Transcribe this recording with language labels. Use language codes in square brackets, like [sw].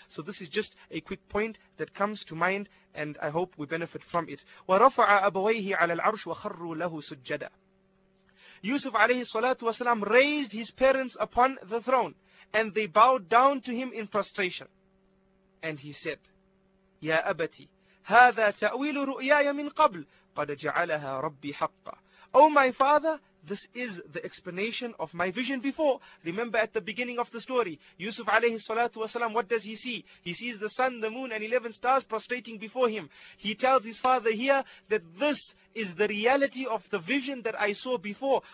[en] So this is just a quick point that comes to mind, and I hope we benefit from it. [ar] وَرَفَعَ أَبَوَيْهِ عَلَى الْعَرْشِ وَخَرُّوا لَهُ سُجَّدًا. [en] Yusuf alayhi salatu wasalam raised his parents upon the throne, and they bowed down to him in prostration. And he said, [ar] Ya Abati, هذا تأويل رؤياي من قبل قد جعلها ربي حقا. [en] O my father, this is the explanation of my vision before. Remember at the beginning of the story, Yusuf alayhi salatu wasalam, what does he see? He sees the sun, the moon and 11 stars prostrating before him. He tells his father here that this is the reality of the vision that I saw before.